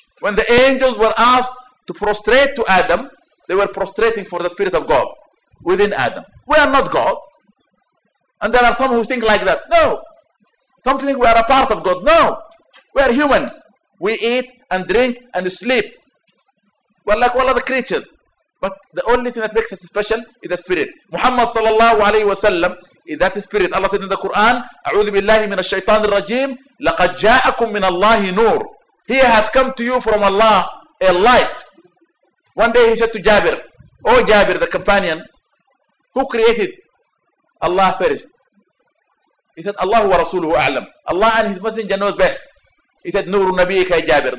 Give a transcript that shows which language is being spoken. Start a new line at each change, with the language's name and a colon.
English: When the angels were asked to prostrate to Adam, they were prostrating for the spirit of God within Adam. We are not God. And there are some who think like that. No. Some think we are a part of God. No. We are humans. We eat and drink and sleep. We are like all other creatures. But the only thing that makes us special is the spirit. Muhammad sallallahu alayhi wa sallam is that spirit. Allah said in the Quran,
Arabic: أعوذ بالله من الشيطان الرجيم لقد جاءكم من الله نور.
English: He has come to you from Allah, a light. One day he said to Jabir, oh Jabir, the companion, who created Allah first? He said,
Arabic: Allah wa Rasuluhu A'lam.
English: Allah and his messenger knows best. He said,
Arabic: Nuru Nabiika Jabir.